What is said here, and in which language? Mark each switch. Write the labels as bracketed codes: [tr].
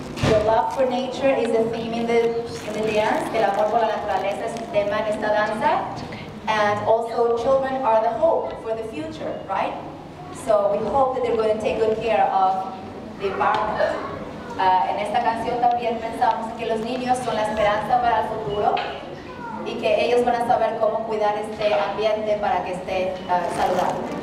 [en] The love for nature is the theme in the dance. [es] El amor por la naturaleza es el tema en esta danza. [en] And also, children are the hope for the future, right? So we hope that they're going to take good care of the environment. [es] En esta canción también pensamos que los niños son la esperanza para el futuro y que ellos van a saber cómo cuidar este ambiente para que esté saludable.